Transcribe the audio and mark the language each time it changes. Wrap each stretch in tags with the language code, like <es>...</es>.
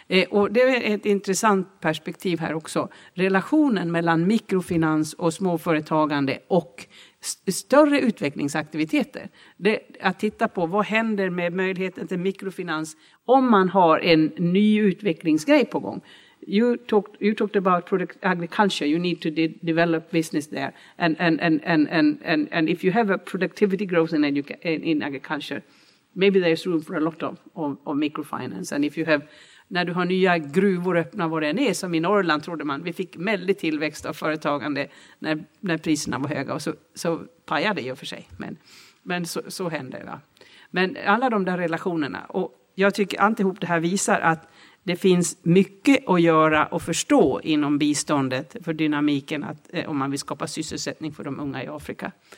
<sv>Och det är ett intressant perspektiv här också. Relationen mellan mikrofinans och småföretagande och större utvecklingsaktiviteter. Det, att titta på vad händer med möjligheten till mikrofinans om man har en ny utvecklingsgrej på gång.</sv> <en>You talked about product agriculture. You need to develop business there, and if you have a productivity growth in agriculture, maybe there's room for a lot of microfinance. And if you have,</en> <sv>när du har nya gruvor öppna var det än är, som i Norrland trodde man, vi fick väldigt tillväxt av företagande när priserna var höga, och så pajade det ju för sig, men så hände det. Men alla de där relationerna, och jag tycker alltihop det här visar att det finns mycket att göra och förstå inom biståndet för dynamiken att om man vill skapa sysselsättning för de unga i Afrika.</sv>